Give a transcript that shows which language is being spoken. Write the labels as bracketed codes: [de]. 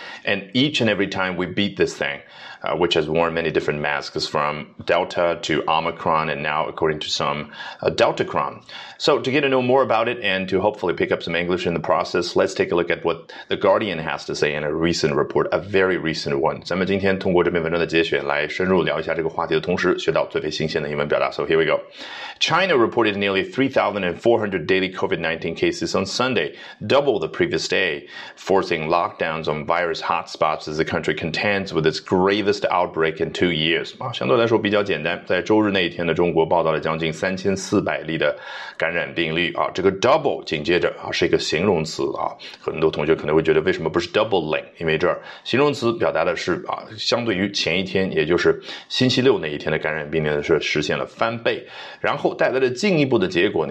[en] And each and every time we beat this thing, which has worn many different masks from Delta to Omicron, and now according to some, Deltacron. So to get to know more about it and to hopefully pick up some English in the process, let's take a look at what The Guardian has to say in a recent report, a very recent one. [zh] 咱们今天通过这篇文章的节选来深入聊一下这个话题的同时学到最为新鲜的英文表达。 [en] So here we go. China reported nearly 3,400 daily COVID-19 cases on Sunday, double the previous day, forcing lockdowns on virus hotspots as the country contends with its gravest outbreak in 2 years. [zh] 相对来说比较简单，在周日那一天的中国报道了将近3400例的感染病例，这个 double 紧接着，是一个形容词，很多同学可能会觉得为什么不是 doubling， 因为这儿形容词表达的是，相对于前一天，也就是星期六那一天的感染病例是实现了翻倍，然后带来了进一步的结果。